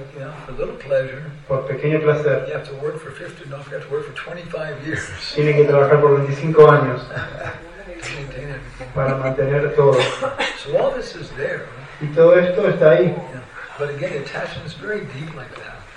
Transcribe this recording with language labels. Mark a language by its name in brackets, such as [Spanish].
[English] you know, for little pleasure, [Spanish] por pequeño placer, [English] you have to work for 50, no, you have to work for 25 years. [Spanish] Tiene que trabajar por 25 años para mantener todo. [English] So all this is there. [Spanish] Y todo esto está ahí. [English] But again, attachment is very deep like that.